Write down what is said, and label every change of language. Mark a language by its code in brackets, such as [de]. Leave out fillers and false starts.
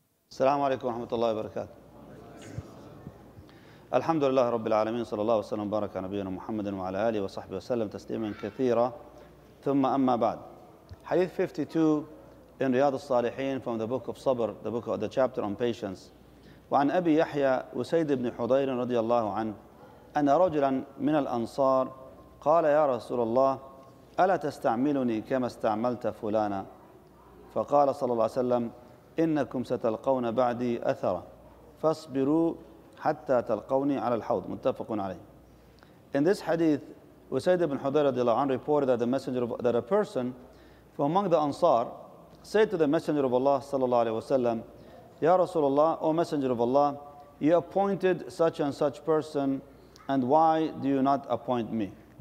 [ar] السلام عليكم ورحمة الله وبركاته. الحمد لله رب العالمين، صلى الله وسلم وبارك على نبينا محمد وعلى آله وصحبه وسلم تسليما كثيرا. ثم أما بعد، حديث [en] 52 in رياض الصالحين from the book of صبر, the book of the chapter on patience. [ar] وعن أبي يحيى وسيد بن حضير رضي الله عنه أن رجلا من الأنصار قال يا رسول الله ألا تستعملني كما استعملت فلانا؟ فقال صلى الله عليه وسلم إنكم ستلقون بعدي أثرا فاصبروا حتى تلقوني على الحوض. متفق عليه. [en] In this hadith, Usayd ibn Hudayr radiallahu anhu reported that the messenger of, that a person from among the Ansar said to the messenger of Allah sallallahu alayhi wa sallam, Ya Rasulullah, O messenger of Allah, you appointed such and such person, and why do you not appoint me?